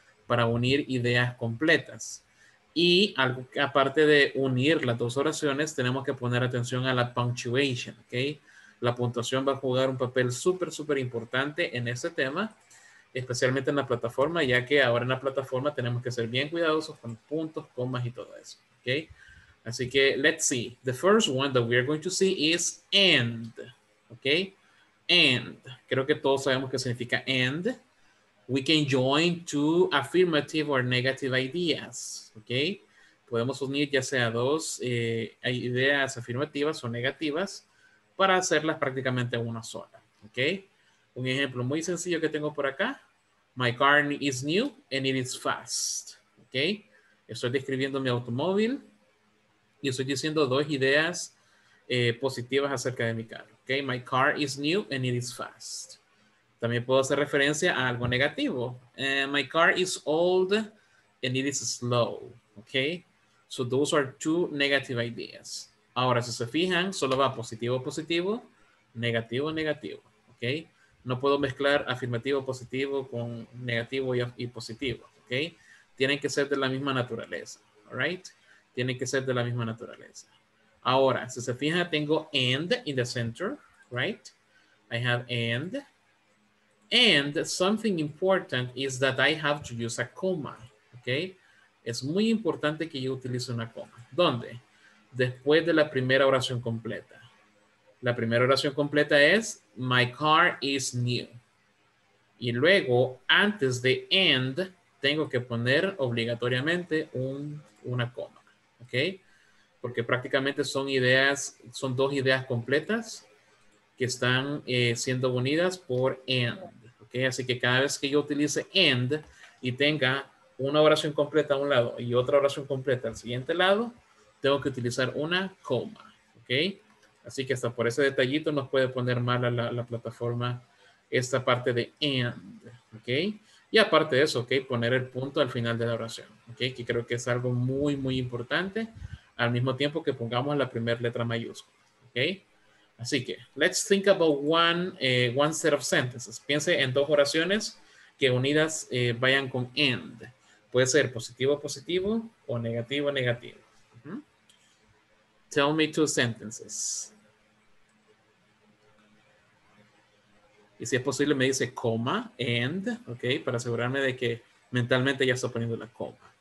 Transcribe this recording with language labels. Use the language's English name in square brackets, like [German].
[Spanish] Para unir ideas completas. Y algo que, aparte de unir las dos oraciones, tenemos que poner atención a la punctuation, ¿ok? La puntuación va a jugar un papel súper, súper importante en este tema, especialmente en la plataforma, ya que ahora en la plataforma tenemos que ser bien cuidadosos con puntos, comas y todo eso, ¿ok? Así que, [English] let's see. The first one that we are going to see is end, ¿ok? And, [Spanish] creo que todos sabemos qué significa [English] and. We can join two affirmative or negative ideas, ¿ok? [Spanish] Podemos unir ya sea dos ideas afirmativas o negativas para hacerlas prácticamente una sola, ¿ok? Un ejemplo muy sencillo que tengo por acá. [English] My car is new and it is fast, ¿ok? [Spanish] Estoy describiendo mi automóvil y estoy diciendo dos ideas positivas acerca de mi carro. [English] Okay, my car is new and it is fast. [Spanish] También puedo hacer referencia a algo negativo. [English] My car is old and it is slow. Okay, so those are two negative ideas. [Spanish] Ahora, si se fijan, solo va positivo, positivo, negativo, negativo. Okay, no puedo mezclar afirmativo, positivo con negativo y positivo. Okay, tienen que ser de la misma naturaleza. All right, tienen que ser de la misma naturaleza. Ahora, si se fijan, tengo [English] and in the center, right? I have and. And something important is that I have to use a comma, okay? [Spanish] Es muy importante que yo utilice una coma. ¿Dónde? Después de la primera oración completa. La primera oración completa es [English] my car is new. [Spanish] Y luego, antes de and, tengo que poner obligatoriamente una coma, okay? Porque prácticamente son ideas, son dos ideas completas que están siendo unidas por and, ¿ok? Así que cada vez que yo utilice and y tenga una oración completa a un lado y otra oración completa al siguiente lado, tengo que utilizar una coma, ¿ok? Así que hasta por ese detallito nos puede poner mal a la plataforma esta parte de and, ¿ok? Y aparte de eso, ¿ok? Poner el punto al final de la oración, ¿ok? Que creo que es algo muy, muy importante. Al mismo tiempo que pongamos la primera letra mayúscula, ¿ok? [English] Así que, let's think about one set of sentences. [Spanish] Piense en dos oraciones que unidas vayan con end. Puede ser positivo, positivo o negativo, negativo. Uh-huh. [English] Tell me two sentences. [Spanish] Y si es posible me dice coma, end, ¿ok? Para asegurarme de que mentalmente ya está poniendo la coma.